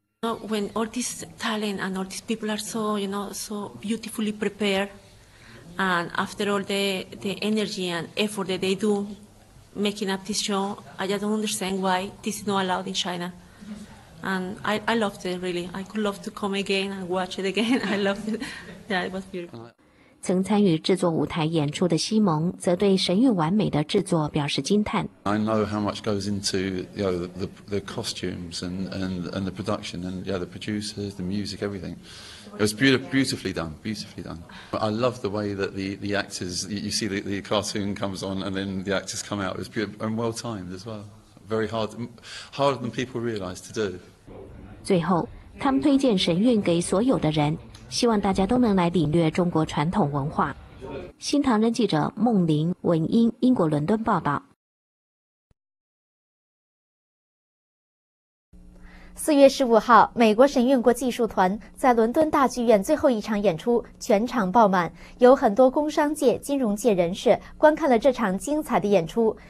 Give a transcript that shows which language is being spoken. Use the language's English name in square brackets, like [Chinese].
[English] When all this talent and all these people are so, you know, so beautifully prepared, and after all the energy and effort that they do making up this show, I just don't understand why this is not allowed in China. And I loved it, really. I could love to come again and watch it again. I loved it. Yeah, it was beautiful. [Chinese] 曾参与制作舞台演出的西蒙则对神韵完美的制作表示惊叹。 [English] I know how much goes into, you know, the costumes and the production and, yeah, the producers, the music, everything. It was beautifully done, beautifully done. I love the way that the actors, you see the cartoon comes on and then the actors come out. It was beautiful and well timed as well. Very hard, harder than people realize to do. [Chinese] 最后，他们推荐神韵给所有的人。希望大家都能来领略中国传统文化。新唐人记者孟林、文英，英国伦敦报道。四月十五号，美国神韵国际艺术团在伦敦大剧院最后一场演出全场爆满，有很多工商界、金融界人士观看了这场精彩的演出。